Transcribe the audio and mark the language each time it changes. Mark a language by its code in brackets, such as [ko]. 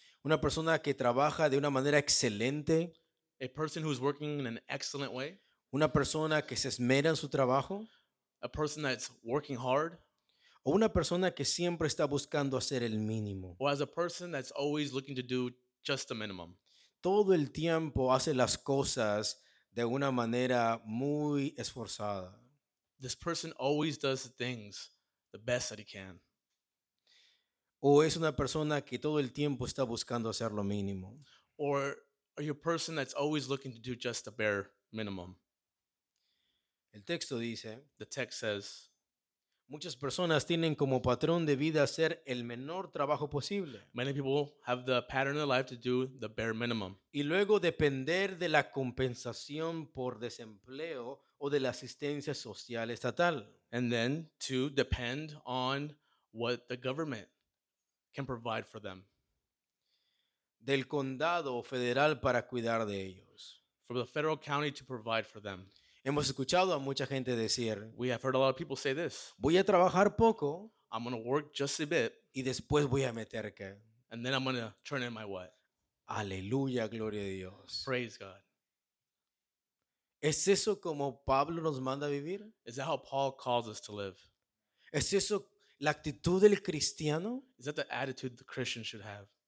[es] una persona que trabaja de una manera excelente, [en] a person who's working in an excellent way, [es] una persona que se esmera en su trabajo, [en] a person that's working hard, [es] o una persona que siempre está buscando hacer el mínimo, [en] or as a person that's always looking to do just the minimum. [es] Todo el tiempo hace las cosas de una manera muy esforzada. [en] This person always does things the best that he can. [es] O es una persona que todo el tiempo está buscando hacer lo mínimo. [en] Or are you a person that's always looking to do just the bare minimum? [es] El texto dice, [en] the text says, [es] muchas personas tienen como patrón de vida hacer el menor trabajo posible. [en] Many people have the pattern of life to do the bare minimum. [es] Y luego depender de la compensación por desempleo o de la asistencia social estatal. [en] And then to depend on what the government can provide for them. [es] Del condado federal para cuidar de ellos. [en] From the federal county to provide for them. [es] Hemos escuchado a mucha gente decir, [en] we have heard a lot of people say this. [es] Voy a trabajar poco. [en] I'm going to work just a bit. [es] Y después voy a meter qué. [en] And then I'm going to turn in my what. [es] Aleluya, gloria a Dios. [en] Praise God. [es] ¿Es eso como Pablo nos manda a vivir? [en] Is that how Paul calls us to live? [es] ¿Es eso la actitud del cristiano? [en] Is that the attitude the Christian should have?